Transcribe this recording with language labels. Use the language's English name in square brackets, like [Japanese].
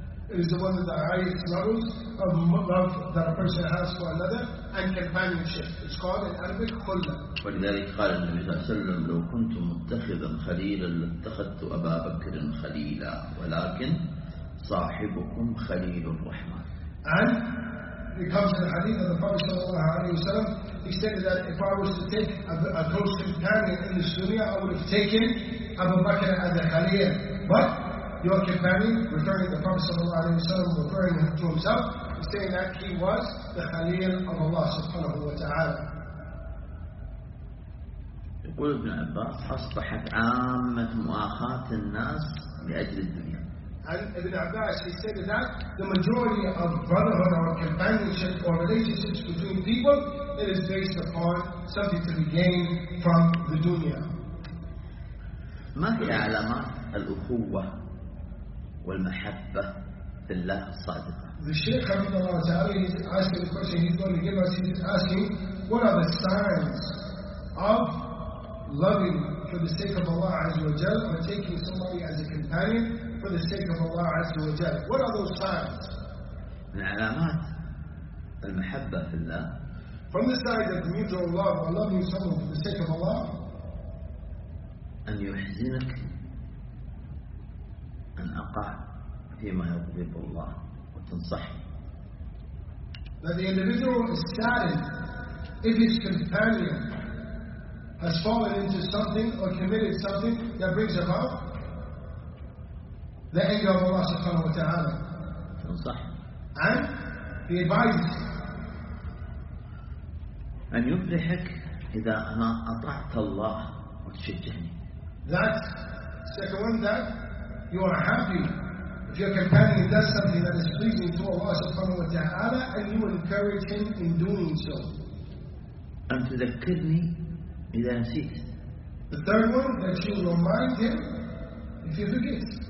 [English] It is one of the highest levels of love that a person has for another and companionship. It's called in Arabic khulla. [Arabic] ولذلك قال النبي صلى الله عليه وسلم لو كنت متخذا خليلا لاتخذت أبا بكر خليلا ولكن صاحبكم خليل الرحمن. [English] And it comes to the hadith of the Prophet sallallahu alayhi wa sallam. He stated that if I was to take a close companion in the dunya, I would have taken Abu Bakr as a khalil. But your companion, referring to the Prophet sallallahu alayhi wa sallam, referring to himself, is saying that he was the khalil of Allah subhanahu wa ta'ala. [Arabic] يقول ابن عباس أصبحت عامة مؤاخاة الناس لأجل الدنيا. [English] And Ibn Abbas, he stated that the majority of brotherhood or companionship or relationships between people, it is based upon something to be gained from the dunya. [Arabic] ما هي علامات الأخوة والمحبة لله الصادقة؟ [English] The Shaykh Habibullah Ta'ala is asking the question he's going to give us. He's asking, what are the signs of loving for the sake of Allah Azza wa Jal, or taking somebody as a companion for the sake of Allah Azza wa Jal? What are those signs? [Arabic] من علامات المحبة في الله. [English] From the side of mutual love, or loving someone for the sake of Allah. [Arabic] أن يحزنك أن أقع فيما يغضب الله وتنصح. [English] That the individual is saddened if his companion has fallen into something or committed something that brings about the anger of Allah subhanahu wa ta'ala. And he advises. [Arabic] أن يفرحك إذا أنا أطعت الله وتشجعني. [English] That second one, that you are happy if your companion does something that is pleasing to Allah subhanahu wa ta'ala and you encourage him in doing so. [Arabic] أن تذكرني إذا نسيت. [English] The third one, that you remind him if you forget.